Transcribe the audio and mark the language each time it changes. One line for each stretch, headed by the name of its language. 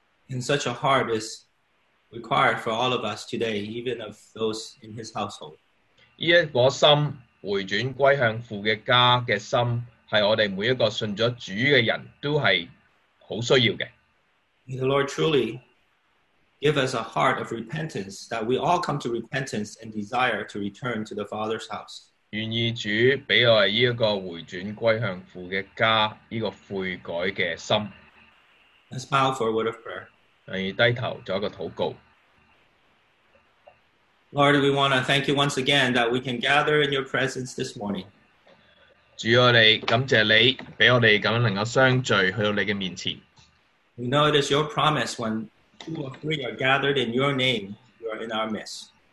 English: And such a heart is required for all of us today, even of those in his household.
Chinese: 這個心回轉歸向父的家的心， 是我們每一個信了主的人都是很需要的。
English: May the Lord truly give us a heart of repentance that we all come to repentance and desire to return to the Father's house.
Chinese: 願意主給我們這個回轉歸向父的家，這個悔改的心。
English: Let's bow for a word of prayer.
Chinese: 願意低頭做一個禱告。
English: Lord, we want to thank you once again that we can gather in your presence this morning.
Chinese: 主，我們感謝你，讓我們這樣能夠相聚去到你的面前。
English: We know it is your promise when two or three are gathered in your name, you are in our midst.